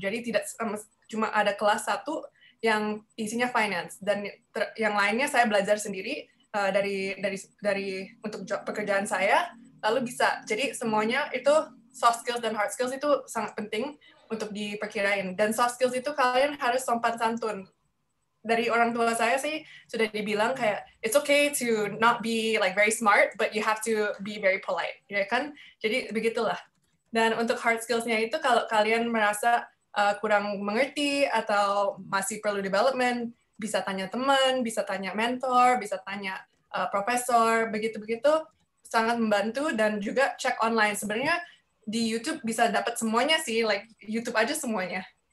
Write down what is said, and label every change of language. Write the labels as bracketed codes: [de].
[id] Jadi tidak cuma ada kelas 1 yang isinya finance, dan yang lainnya saya belajar sendiri dari untuk pekerjaan saya, lalu bisa. Jadi semuanya itu soft skills dan hard skills itu sangat penting untuk diperkirain. Dan soft skills itu kalian harus sopan santun. Dari orang tua saya sih sudah dibilang kayak [en] it's okay to not be like very smart, but you have to be very polite, [id] ya kan? Jadi begitulah. Dan untuk hard skills-nya itu, kalau kalian merasa kurang mengerti atau masih perlu development, bisa tanya teman, bisa tanya mentor, bisa tanya profesor, begitu-begitu, sangat membantu. Dan juga cek online. Sebenarnya di YouTube bisa dapat semuanya sih, like YouTube aja semuanya.